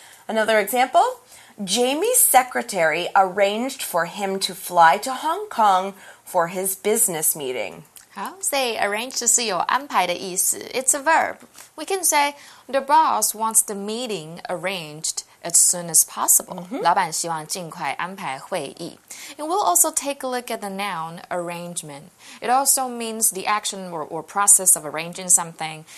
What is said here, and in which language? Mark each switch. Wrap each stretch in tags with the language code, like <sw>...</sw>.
<en>Another example, Jamie's secretary arranged for him to fly to Hong Kong for his business meeting.</en> <zh>好，所以 arrange 就是有安排的意思。</zh> <en>It's a verb. We can say, the boss wants the meeting arranged as soon as possible. Mm-hmm.</en> <zh>老板希望尽快安排会议。</zh> <en>And we'll also take a look at the noun arrangement. It also means the action or process of arranging something.</en>